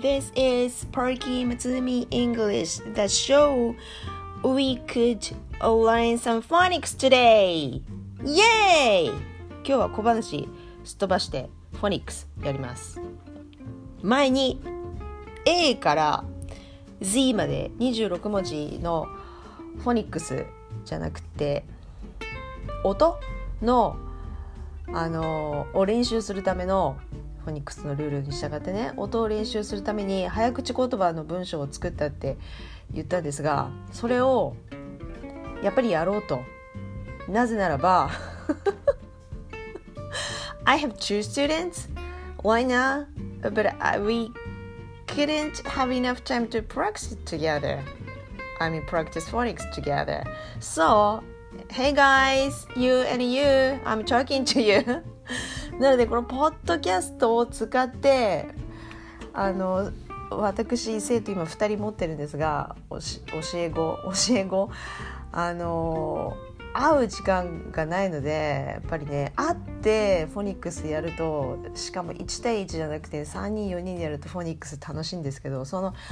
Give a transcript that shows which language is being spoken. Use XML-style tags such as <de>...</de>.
<en>This is Perky Matsumi English, the show we could learn some phonics today. Yay!</en> <ja>今日は小話すっ飛ばしてフォニックスやります。前に A から Z まで26文字のフォニックスじゃなくて音の、を練習するためのフォニックスのルールに従ってね、音を練習するために早口言葉の文章を作ったって言ったんですが、それをやっぱりやろうと、なぜならば</ja> <en>I have two students right now, but we couldn't have enough time to practice together. I mean, practice phonics together. So, hey guys, you and you, I'm talking to you.</en> <ja>なので、このポッドキャストを使って、私、生徒今2人持ってるんですが、教え子、会う時間がないので、やっぱりね、会ってフォニックスやると、しかも1対1じゃなくて3人4人でやるとフォニックス楽しいんですけど、その</ja>